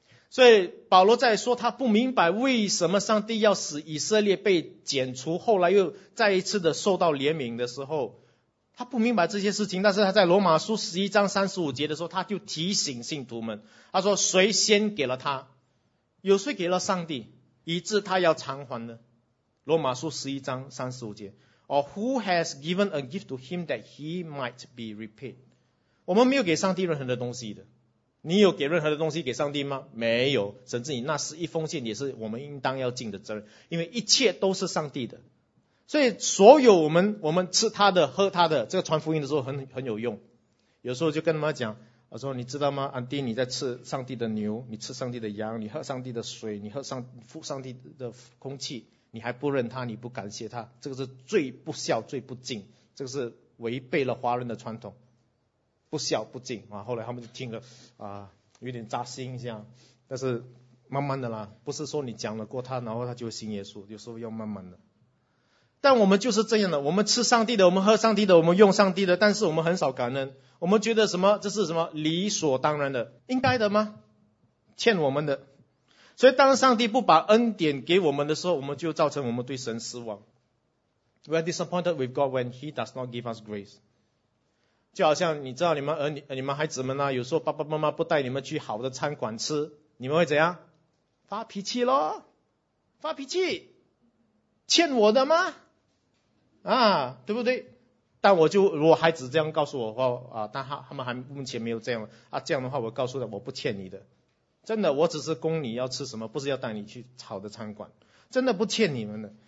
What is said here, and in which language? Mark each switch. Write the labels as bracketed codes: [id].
[zh] 所以保罗在说他不明白为什么上帝要使以色列被剪除，后来又再一次的受到怜悯的时候，他不明白这些事情。但是他在罗马书11章35节的时候，他就提醒信徒们，他说谁先给了他，有谁给了上帝，以致他要偿还呢？罗马书11章35节 [en] Or who has given a gift to him that he might be repaid? [zh] 我们没有给上帝任何的东西的，你有给任何的东西给上帝吗？没有，甚至你那十一封信也是我们应当要尽的责任，因为一切都是上帝的。所以所有我们吃他的喝他的，这个传福音的时候很有用。有时候就跟他们讲，我说你知道吗，安迪，你在吃上帝的牛，你吃上帝的羊，你喝上帝的水，你喝上帝的空气，你还不认他，你不感谢他，这个是最不孝最不敬，这个是违背了华人的传统，不孝不敬啊。后来他们就听了啊，有点扎心这样。但是慢慢的啦，不是说你讲了过他然后他就信耶稣，有时候要慢慢的。但我们就是这样的，我们吃上帝的，我们喝上帝的，我们用上帝的，但是我们很少感恩。我们觉得什么，这是什么理所当然的，应该的吗？欠我们的。所以当上帝不把恩典给我们的时候，我们就造成我们对神失望。 [en] We are disappointed with God when he does not give us grace。 [zh] 就好像你知道你们孩子们啊，有时候爸爸妈妈不带你们去好的餐馆吃，你们会怎样？发脾气咯，发脾气，欠我的吗？啊，对不对？但我就如果孩子这样告诉我的话啊，但他们还目前没有这样啊，这样的话我告诉他我不欠你的，真的，我只是供你要吃什么，不是要带你去好的餐馆，真的不欠你们的。